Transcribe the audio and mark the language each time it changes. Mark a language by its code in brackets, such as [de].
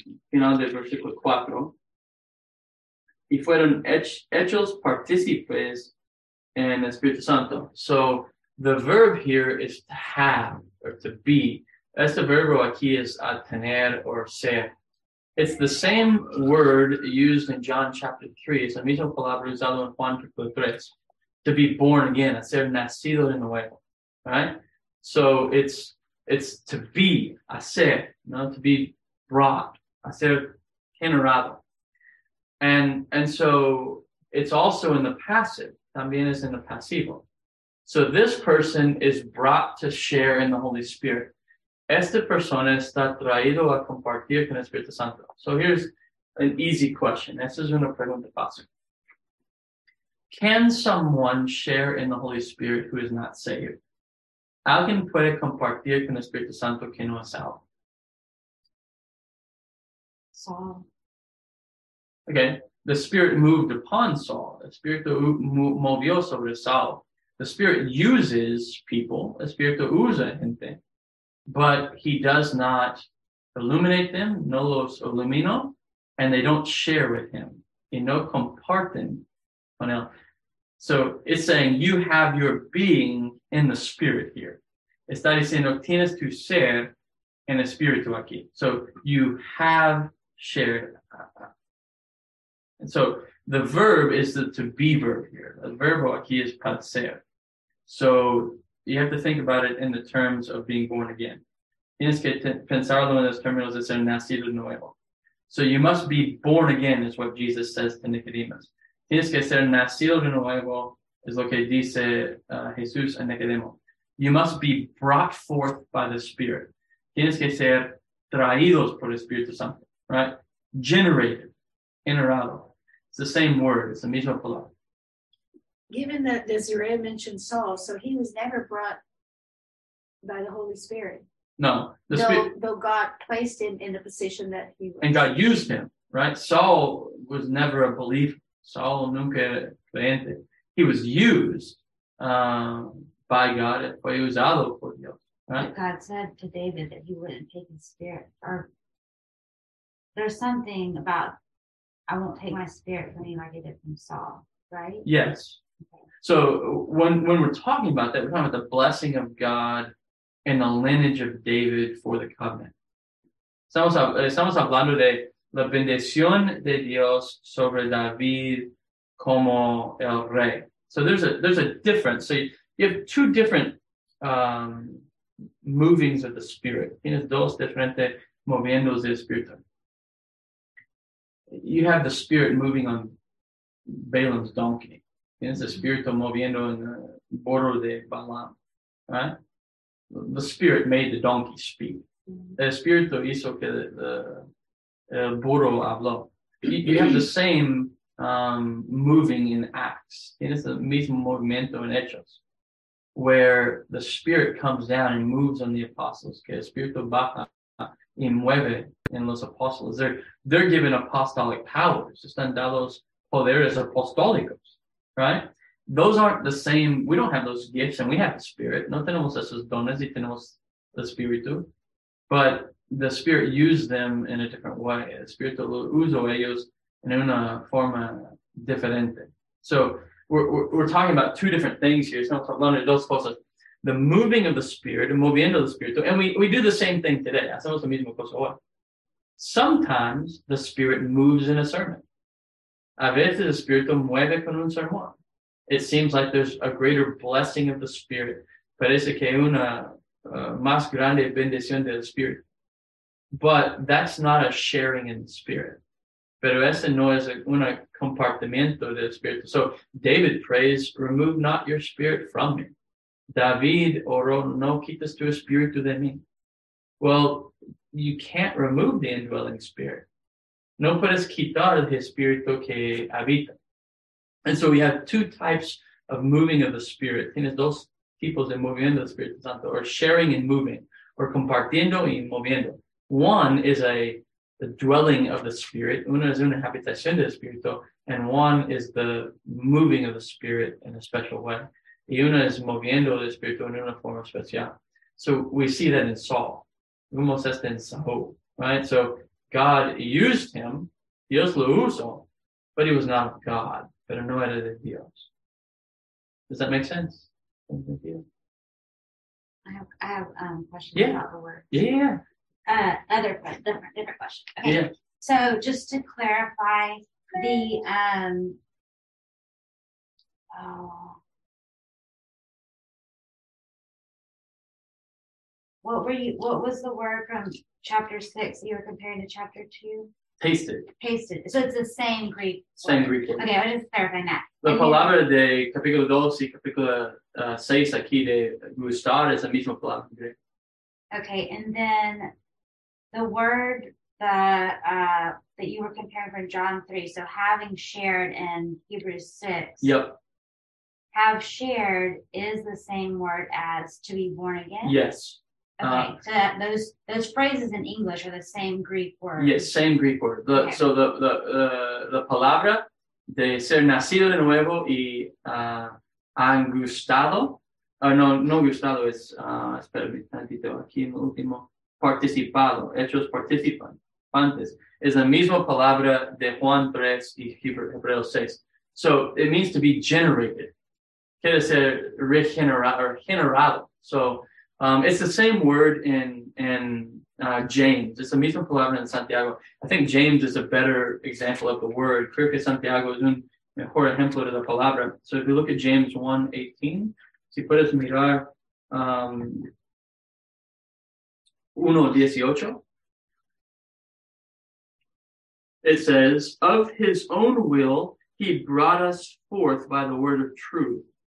[es] Final de versículo 4, y fueron hechos partícipes en Espíritu Santo. [en] So the verb here is to have or to be. [es] Este verbo aquí es a tener or ser. [en] It's the same word used in John chapter 3. [es] Es la misma palabra usada en Juan capítulo 3. [en] To be born again, [es] a ser nacido de nuevo. [en] All right? So it's to be, [es] a ser, [en] no? To be brought, [es] a ser generado. [en] And so it's also in the passive. [es] También es en el pasivo. [en] So this person is brought to share in the Holy Spirit. [es] Esta persona está traído a compartir con el Espíritu Santo. [en] So here's an easy question. [es] Esta es una pregunta fácil. [en] Can someone share in the Holy Spirit who is not saved? [es] ¿Alguien puede compartir con el Espíritu Santo que no es salvo? [en] Saul. Okay. The Spirit moved upon Saul. [es] El Espíritu movió sobre Saul. [en] The Spirit uses people. [es] El Espíritu usa gente. [en] But he does not illuminate them, [es] no los ilumino, [en] and they don't share with him. [es] Y no comparten con él. [en] So it's saying you have your being in the spirit here. [es] Está diciendo tienes tu ser en el espíritu aquí. [en] So you have shared. And so the verb is the to be verb here. [es] El verbo aquí es para ser. [en] So you have to think about it in the terms of being born again. [es] Tienes que pensarlo en los términos de ser nacido de nuevo. [en] So you must be born again, is what Jesus says to Nicodemus. [es] Tienes que ser nacido de nuevo, is lo que dice Jesús a Nicodemo. [en] You must be brought forth by the Spirit. [es] Tienes que ser traídos por el Espíritu Santo, right? [en] Generated, generado. It's the same word, it's the [es] misma palabra. [en] Given that Desiree mentioned Saul, so he was never brought by the Holy Spirit. No, though God placed him in the position that he was. And God used him, right? Saul was never a believer. [es] Saul nunca creyente. [en] He was used by God. [es] Fue usado por Dios, right? [en] God said to David that he wouldn't take his spirit. Or there's something about, I won't take my spirit from you, I get it from Saul, right? Yes. Okay. So when we're talking about that, we're talking about the blessing of God in the lineage of David for the covenant. [es] Estamos hablando de la bendición de Dios sobre David como el rey. [en] So there's a difference. So you have two different movings of the Spirit. [es] Tienes dos diferentes moviendos del Espíritu. [en] You have the Spirit moving on Balaam's donkey. [es] Tienes el Espíritu moviendo en el burro de Balaam. [en] Right? The Spirit made the donkey speak. [es] El Espíritu hizo que el burro habló. [en] You have the same moving in Acts. It is the [es] mismo movimiento en Hechos, [en] where the Spirit comes down and moves on the apostles. [es] Que el Espíritu baja y mueve en los apóstoles. [en] They're given apostolic powers. [es] Están dados poderes apostólicos, [en] right? Those aren't the same. We don't have those gifts, and we have the Spirit. [es] No tenemos esos dones y tenemos el Espíritu. [en] But the Spirit used them in a different way. [es] El Espíritu lo usó ellos en una forma diferente. [en] So we're talking about two different things here. [es] Estamos hablando de dos cosas. [en] The moving of the Spirit, [es] el moviendo del Espíritu. [en] And we do the same thing today. [es] Hacemos la misma cosa hoy. [en] Sometimes the Spirit moves in a sermon. [es] A veces el Espíritu mueve con un sermón. [en] It seems like there's a greater blessing of the Spirit. [es] Parece que hay una más grande bendición del Espíritu. [en] But that's not a sharing in the Spirit. [es] Pero ese no es un compartimiento del Espíritu. [en] So David prays, remove not your spirit from me. [es] David oró, no quites tu espíritu de mí. [en] Well, you can't remove the indwelling spirit. [es] No puedes quitar el espíritu que habita. [en] And so we have two types of moving of the spirit. [es] Tienes dos tipos de movimiento del Espíritu Santo, [en] or sharing and moving, or [es] compartiendo y moviendo. [en] One is the dwelling of the spirit. [es] Una es una habitación del espíritu. [en] And one is the moving of the spirit in a special way. [es] Y una es moviendo el espíritu en una forma especial. [en] So we see that in Saul. [es] Vemos esto en Saul, [en] right? So God used him, [es] Dios lo usó, [en] but he was not God, [es] pero no era de Dios. [en] Does that make sense? Thank you. I have questions about the word. Yeah. Different question. Okay. Yeah. So just to clarify the what was the word from chapter 6 you were comparing to chapter 2? Pasted. So it's the same Greek word. Same Greek word. Okay, I was just clarifying that. [es] La palabra de capítulo 2 y capítulo 6 aquí de gustar es la misma palabra. [en] Okay, and then the word that you were comparing from John 3, so having shared in Hebrews 6. Yep. Have shared is the same word as to be born again? Yes. Okay, so that those phrases in English are the same Greek word. Yes, same Greek word. Okay. So the [es] palabra de ser nacido de nuevo y angustado, no gustado es, espérame tantito, aquí en el último, participado, hechos participantes, es la misma palabra de Juan 3 y Hebreos 6. [en] So it means to be generated. [es] Quiere ser regenerado. [en] So it's the same word in James. It's the [es] mismo palabra [en] in Santiago. I think James is a better example of the word. [es] Creo que Santiago es un mejor ejemplo de la palabra. [en] So if you look at James 1:18, [es] si puedes mirar 1:18, [en] it says, of his own will, he brought us forth by the word of truth.